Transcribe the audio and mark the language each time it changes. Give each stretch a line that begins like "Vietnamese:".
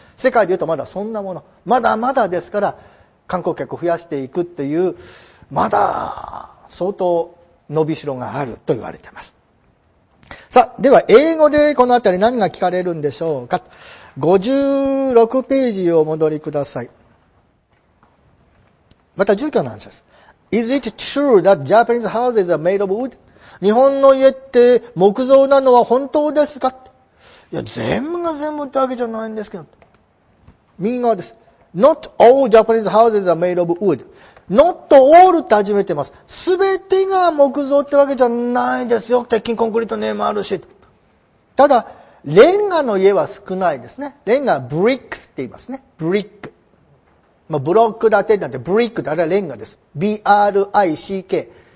Japanese: 世界で言うとまだそんなもの、まだまだですから、観光客を増やしていくっていう、まだ相当伸びしろがあると言われています。さあ、では英語でこのあたり何が聞かれるんでしょうか。 56ページをお戻りください。また住居の話です。
English: Is it true that Japanese houses are made of wood?
Japanese: 日本の家って木造なのは本当ですか？いや、全部が全部ってわけじゃないんですけど。右側です。
English: Not all Japanese houses are made of wood. Not all
Japanese: って始めてます。すべてが木造ってわけじゃないですよ。鉄筋コンクリートネームあるし。ただ、レンガの家は少ないですね。レンガは bricks って言いますね。brick。まあ、ブロック建てなんて、ブリックってあれはレンガです。
English: B-R-I-C-K。